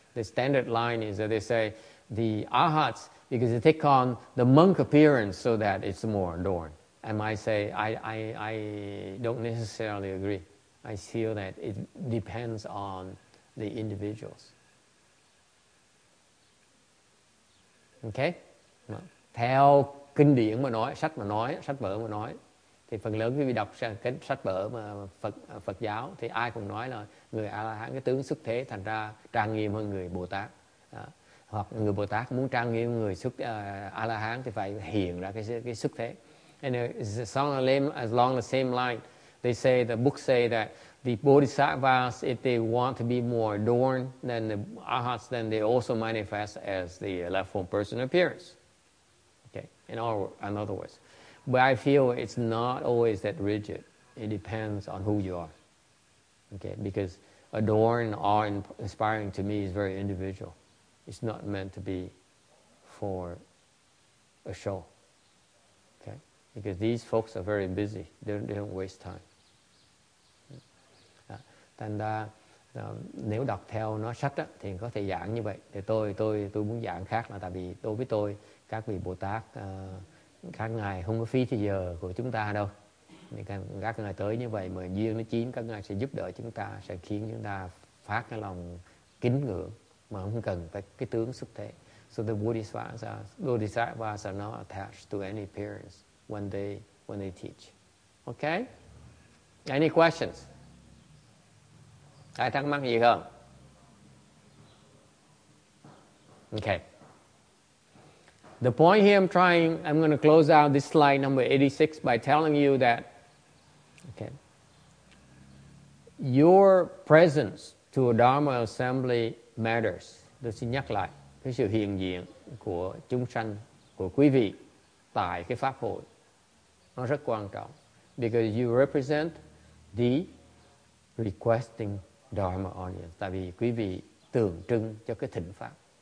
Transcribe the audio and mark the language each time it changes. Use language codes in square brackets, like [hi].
[en] The standard line is that they say the arhats, because they take on the monk appearance so that it's more adorned. And I say, I don't necessarily agree. I feel that it depends on the individuals. Okay? [vi] Theo kinh điển mà nói, sách mà nói, sách vở mà nói, thì phần lớn quý vị đọc sách vở mà Phật giáo thì ai cũng nói là người A-la-hán cái tướng xuất thế thành ra trang nghiêm hơn người Bồ-Tát. Hoặc người Bồ-Tát muốn trang nghiêm người xuất A-la-hán thì phải hiện ra cái xuất thế. [en] And it's along the same line, they say, the book say that the Bodhisattvas, if they want to be more adorned than the Arhats, then they also manifest as the left-form person appearance. Okay, in other words. But I feel it's not always that rigid. It depends on who you are. Okay, because adorned or inspiring to me is very individual. It's not meant to be for a show. Okay, because these folks are very busy. They don't waste time. [vi] Thành ra nếu đọc theo nó sách đó, thì có thể giảng như vậy. Thì tôi muốn giảng khác là tại vì đối với tôi các vị Bồ Tát các ngài không có phí thời giờ của chúng ta đâu. Nên các ngài tới như vậy mà duyên nó chín, các ngài sẽ giúp đỡ chúng ta, sẽ khiến chúng ta phát cái lòng kính ngưỡng mà không cần phải cái tướng xuất thế. [en] So the Bodhisattvas are not attached to any appearance when they teach. Okay? Any questions? [vi] Ai thắc mắc gì không? [en] Okay. The point here I'm going to close out this slide number 86 by telling you that, okay, your presence to a Dharma assembly matters. [vi] Tôi xin nhắc lại, cái sự hiện diện của chúng sanh, của quý vị tại cái pháp hội, nó rất quan trọng. [en] Because you represent the requesting Dharma audience. [vi] Tại vì quý vị tượng trưng cho cái thỉnh pháp.